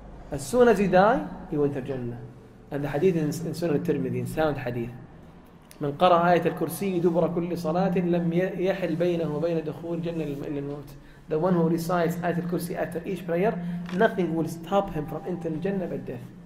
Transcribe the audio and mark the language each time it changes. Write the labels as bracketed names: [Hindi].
[English] As soon as he died, he went to Jannah. And the hadith in Sunan al-Tirmidhi, in sound hadith. [Arabic] من قرأ آية الكرسي دبر كل صلاة لم يحل بينه وبين دخول جنة للموت. [English] The one who recites آية الكرسي after each prayer, nothing will stop him from entering Jannah but death.